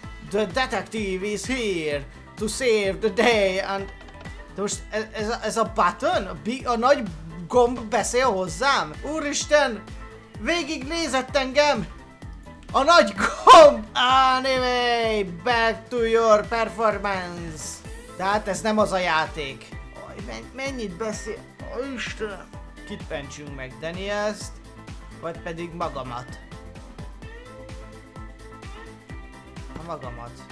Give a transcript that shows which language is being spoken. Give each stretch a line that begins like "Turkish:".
English: The detective is here to save the day and...
Hungarian: De most ez a button? A nagy gomb beszél hozzám? Úristen! Végig nézett engem! A nagy gomb! Anime!
English: Back to your performance!
Hungarian: Tehát ez nem az a játék. Aj, mennyit beszél? Aj, Istenem! Kipencsünk meg Danielst, vagy pedig magamat. A magamat.